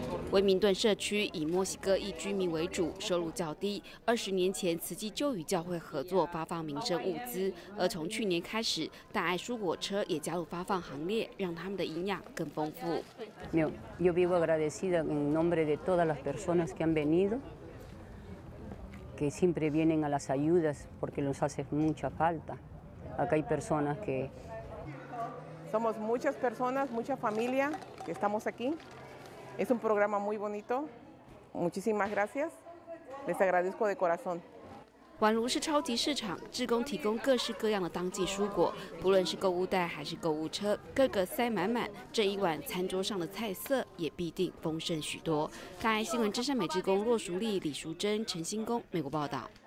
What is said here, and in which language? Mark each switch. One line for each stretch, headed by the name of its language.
Chinese: 温明顿社区以墨西哥裔居民为主，收入较低。二十年前，慈济就与教会合作发放民生物资，而从去年开始，大爱蔬果车也加入发放行列，让他们的营养更丰富。
Spanish: Yo vivo agradecida en nombre de todas las personas que han venido que siempre vienen a las ayudas porque nos hace mucha falta. Acá hay personas que... Somos muchas personas, mucha familia que estamos aquí. Es un programa muy bonito. Muchísimas gracias. Les agradezco de corazón.
Chinese: 宛如是超级市场，志工提供各式各样的当季蔬果，不论是购物袋还是购物车，个个塞满满，这一碗餐桌上的菜色也必定丰盛许多。大爱新闻真善美志工骆淑丽、李淑珍、陈新工美国报道。